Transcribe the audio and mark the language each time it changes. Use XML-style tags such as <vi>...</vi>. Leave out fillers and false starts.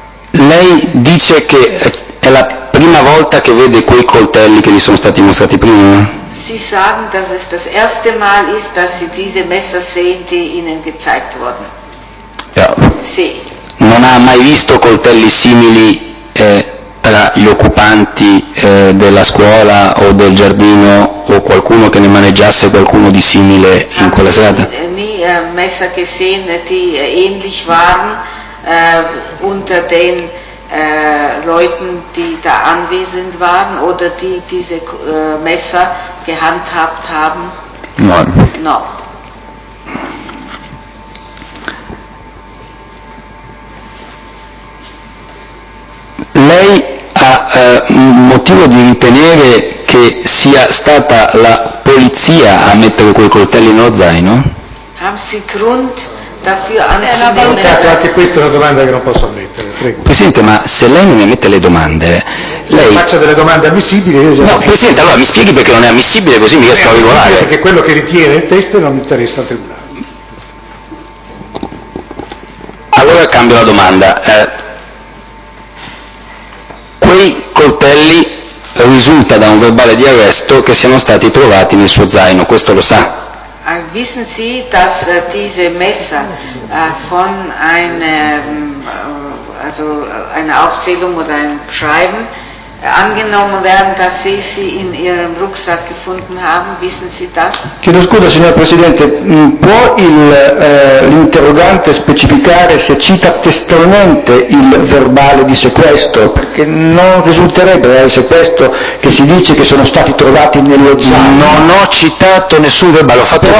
<it>Lei dice che è la prima volta che vede quei coltelli che gli sono stati mostrati prima?</it> <de>Sie sagen, dass es das erste Mal ist, dass Sie diese Messer sehen, die Ihnen gezeigt wurden. Ja.</de> <it>Sì. Non ha mai visto coltelli simili tra gli occupanti della scuola o del giardino o qualcuno che ne maneggiasse qualcuno di simile in quella serata?</it> <de>Nie Messer gesehen, die ähnlich waren unter den Leuten, die da anwesend waren oder die diese Messer gehandhabt haben? Nein.</de> <it>No. Lei ha motivo di ritenere che sia stata la polizia a mettere quei coltelli nello zaino?</it> <de>Haben Sie Grund dafür anzunehmen?</de> <it>Anche questa è una domanda che non posso ammettere. Prego. Presidente, ma se lei non mi mette le domande, lei faccia delle domande ammissibili. Io già no, Presidente, allora mi spieghi perché non è ammissibile, così mi riesco a regolare. Perché quello che ritiene il teste non interessa al tribunale. Allora cambio la domanda. Quei coltelli risulta da un verbale di arresto che siano stati trovati nel suo zaino, questo lo sa?</it> <de>Wissen Sie, dass diese Messer von einer, also einer Aufzählung oder einem Schreiben angenommen werden, dass Sie sie in Ihrem Rucksack gefunden haben? Wissen Sie das?</de> <it>Chiedo scusa, signor Presidente, può l'interrogante specificare se cita testualmente il verbale di sequestro? Perché non risulterebbe dal sequestro che si dice che sono stati trovati nello zaino. Non ho citato nessun verbale, ho fatto</it>